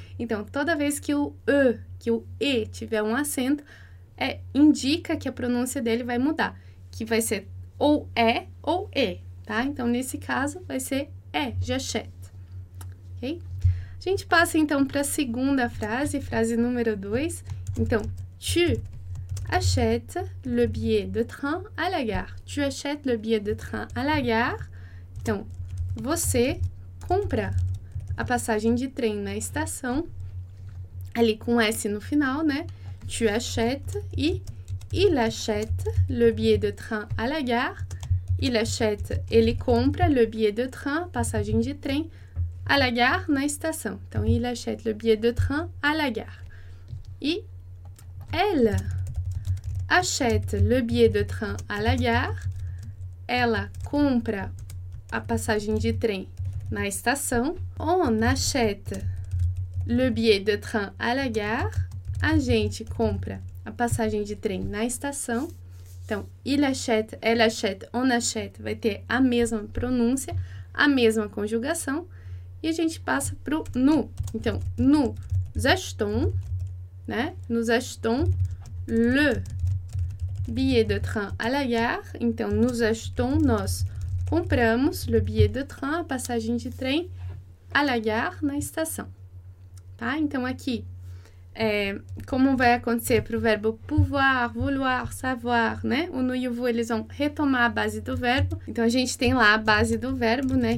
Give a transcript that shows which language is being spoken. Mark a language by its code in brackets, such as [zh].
[pt] Então, toda vez que o E, que o E tiver um acento, indica que a pronúncia dele vai mudar, que vai ser ou E ou E, tá? Então, nesse caso, vai ser E, jachète. Ok? A gente passa, então, para a segunda frase, frase número 2. [fr] Então, tu achètes le billet de train à la gare. Tu achètes le billet de train à la gare. [pt] Então, você compra a passagem de trem na estação, ali com S no final, né? [fr] Tu achètes e il achète le billet de train à la gare. Il achète, [pt] ele compra [fr] le billet de train, [pt] passagem de trem, [fr] à la gare, [pt] na estação. [fr] Então, il achète le billet de train à la gare. E elle achète le billet de train à la gare. [pt] Ela compra a passagem de trem na estação. [fr] On achète le billet de train à la gare. [pt] A gente compra a passagem de trem na estação. Então, [fr] il achète, elle achète, on achète [pt] vai ter a mesma pronúncia, a mesma conjugação. E a gente passa pro nous. Então, [fr] nous achetons, [pt] né? [fr] Nous achetons le billet de train à la gare. [pt] Então, [fr] nous achetons, [pt] nós compramos [fr] le billet de train, [pt] a passagem de trem, [fr] à la gare, [pt] na estação. Tá? Então, aqui, como vai acontecer para o verbo pouvoir, vouloir, savoir, né? O nous e o vous, eles vão retomar a base do verbo. Então, a gente tem lá a base do verbo, né?